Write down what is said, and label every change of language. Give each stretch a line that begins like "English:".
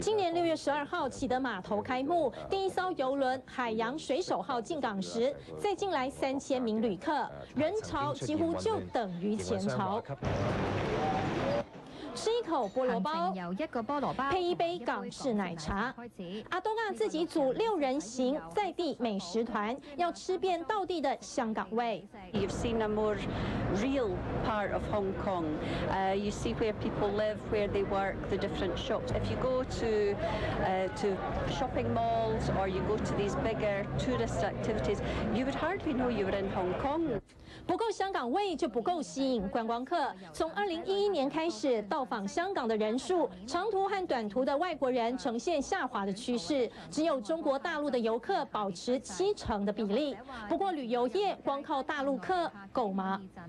Chinese: 今年6月12日，啟德碼頭開幕，第一艘遊輪“海洋水手號”進港時，再進來3000名旅客，人潮幾乎就等於前朝。吃一口菠萝包，由一个菠萝包配一杯港式奶茶。阿东啊，自己组6人行在地美食团，要吃遍道地的香港味。
English: You've seen a more real part of Hong Kong. You see where people live, where they work, the different shops. If you go to shopping malls or you go to these bigger tourist activities, you would hardly know you were in Hong Kong.
Chinese: 不够香港味就不够吸引观光客。从2011年开始到到访香港的人数，长途和短途的外国人呈现下滑的趋势，只有中国大陆的游客保持70%的比例。不过旅游业光靠大陆客够吗？